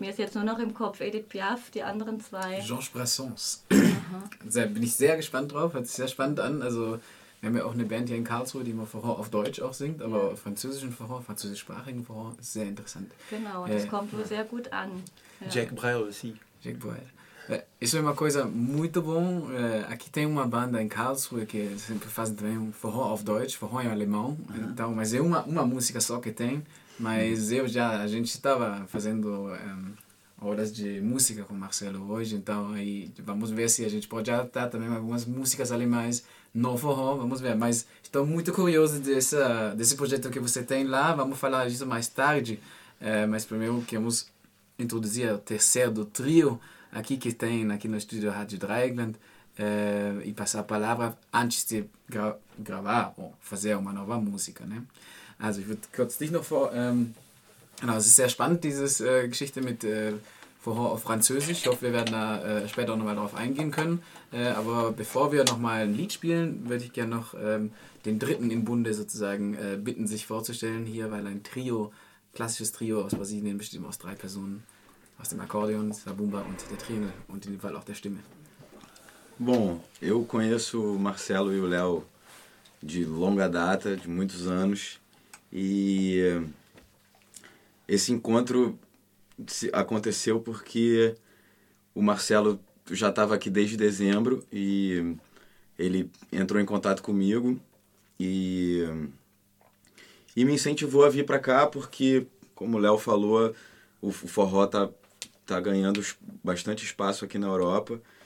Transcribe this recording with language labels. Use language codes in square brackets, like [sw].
[de] Mir ist jetzt nur noch im Kopf Edith Piaf, die anderen zwei. Georges Brassens. Da bin ich sehr gespannt drauf, hört sich sehr spannend an. Also wir haben ja auch eine Band hier in Karlsruhe, die immer Forró auf Deutsch auch singt, aber französischen Forró, französischsprachigen Forró, ist sehr interessant. Genau, das kommt wohl sehr gut an. Ja. Jacques Brel aussi. Jacques Brel. [pt] Isso é uma coisa muito bom. Aqui tem uma banda em Karlsruhe que sempre fazem também forró [de] auf Deutsch, [pt] forró em alemão. Então, mas é uma música só que tem. Mas a gente estava fazendo horas de música com o Marcelo hoje. Então, aí vamos ver se a gente pode adaptar também algumas músicas alemãs no forró. Vamos ver. Mas estou muito curioso desse projeto que você tem lá. Vamos falar disso mais tarde. Mas primeiro queremos introduzir o terceiro trio aqui que tem aqui no estúdio Rádio Dreieckland, e passar a palavra antes de gravar ou fazer uma nova música, né? [de] Also, ich würde kurz dich noch vor... es ist sehr spannend, dieses Geschichte mit Forró auf Französisch. Ich hoffe, wir werden da später nochmal drauf eingehen können. Aber bevor wir nochmal ein Lied spielen, würde ich gerne noch den Dritten im Bunde sozusagen bitten, sich vorzustellen hier, weil ein Trio, klassisches Trio aus Brasilien, besteht aus drei Personen. Aus dem Akkordeon, Sabumba und der Triangel und in dem Fall auch der Stimme. [pt] Bom, eu conheço o Marcelo e o Léo de longa data, de muitos anos, e esse encontro aconteceu porque o Marcelo já estava aqui desde dezembro e ele entrou em contato comigo e me incentivou a vir para cá porque, como o Léo falou, o forró tá ganhando bastante espaço aqui na Europa.